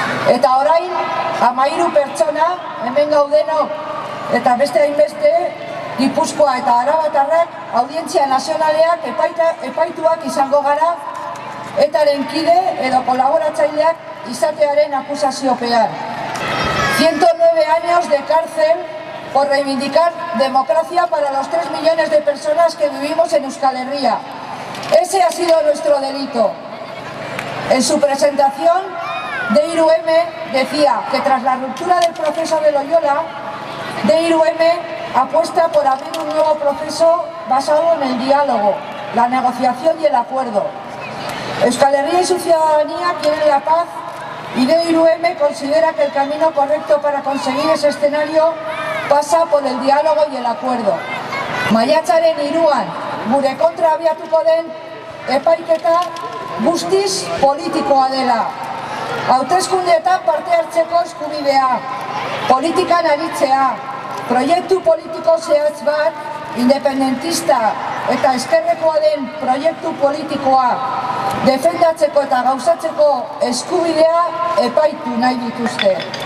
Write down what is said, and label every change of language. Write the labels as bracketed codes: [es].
[eu] Eta orain 13 pertsona hemen gaudenok eta beste hainbeste Gipuzkoa eta Arabatarrak audientzia nazionaleak epaituak izango gara etaren kide edo kolaboratzaileak izatearen akusaziopean. [es] 109 años de cárcel por reivindicar democracia para los 3 millones de personas que vivimos en Euskal Herria. Ese ha sido nuestro delito. En su presentación, D3M decía que tras la ruptura del proceso de Loyola, D3M apuesta por abrir un nuevo proceso basado en el diálogo, la negociación y el acuerdo. Euskal Herria y su ciudadanía quieren la paz y D3M considera que el camino correcto para conseguir ese escenario pasa por el diálogo y el acuerdo. [eu] Maiatzaren 3an, gure kontra abiatuko den epaiketa guztiz politikoa dela. Hauteskundeetan parte hartzeko eskubidea, politikan aritzea, proiektu politiko zehatz bat, independentista eta ezkerrekoa den proiektu politikoa defendatzeko eta gauzatzeko eskubidea epaitu nahi dituzte.